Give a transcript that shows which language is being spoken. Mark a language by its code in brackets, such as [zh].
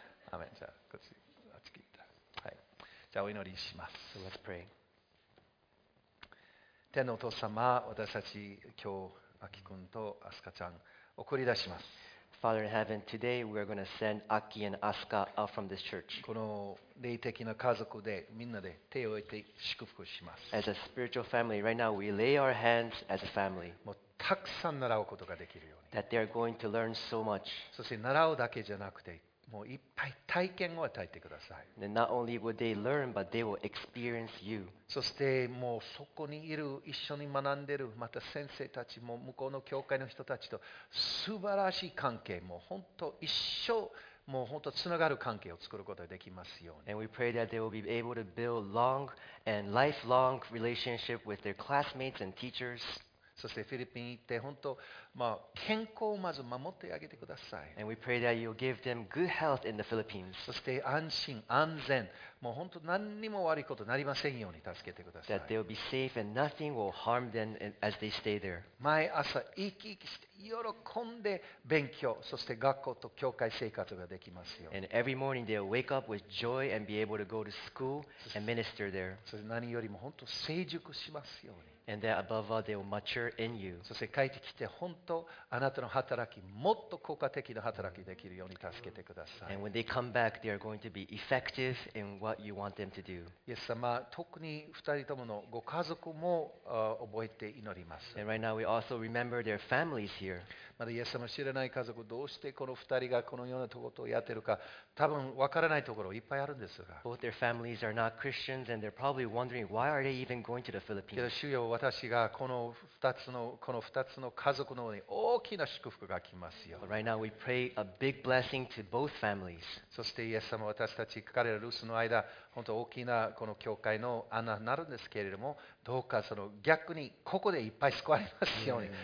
[ja] アメン。じゃあこっちあっち行った。はい。じゃあお祈りします。 [en] So、let's pray. [ja] 天のお父様、私たち今日アキ君とアスカちゃん。送り出します。 [en] Father in heaven, today we are going to send Aki and Asuka out from this church. [ja] この霊的な家族でみんなで手を置いて祝福します。 [en] As a spiritual family, right now we lay our hands as a family. [ja] もうたくさん習うことができるように。 [en] That they are going to learn so much. [ja] そして習うだけじゃなくて、もういっぱい体験を与えてください。 [en] Then not only will they learn, but they will experience you. [ja] そしてもうそこにいる一緒に学んでるまた先生たちも向こうの教会の人たちと素晴らしい関係もう本当一生もう本当つながる関係を作ることができますように。 [en] And we pray that they will be able to build long and lifelong relationship with their classmates and teachers. [ja] そしてフィリピンに行って本当、まあ、健康をまず守ってあげてください。 [en] And we pray that you'll give them good health in the Philippines. [ja] そして安心、安全、もう本当何にも悪いことになりませんように助けてください。 [en] That they'll be safe and nothing will harm them as they stay there. [ja] 毎朝生き生きして喜んで勉強、そして学校と教会生活ができますよ。 [en] And every morning they'll wake up with joy and be able to go to school and minister there. [ja] そして何よりも本当成熟しますように。 [en] And then above all, they'll mature in you. [ja] そして帰ってきて本当あなたの働き、もっと効果的な働きできるように助けてください。 [en] And when they come back, they are going to be effective in what you want them to do. [ja] イエス様、特に2人とものご家族も覚えて祈ります。 [en] And right now we also remember their families here. [ja] まだイエス様知らない家族、どうしてこの二人がこのようなことをやっているか、多分わからないところいっぱいあるんですが。 [en] Both their families are not Christians, and they're probably wondering why are they even going to the Philippines. [ja] けど主よ、私がこの二つの家族の上に大きな祝福が来ますよ。 [en] But、right now we pray a big blessing to both families. [ja] そしてイエス様、私たち彼ら留守の間、本当大きなこの教会の穴になるんですけれども、どうかその逆にここでいっぱい救われますように、mm-hmm.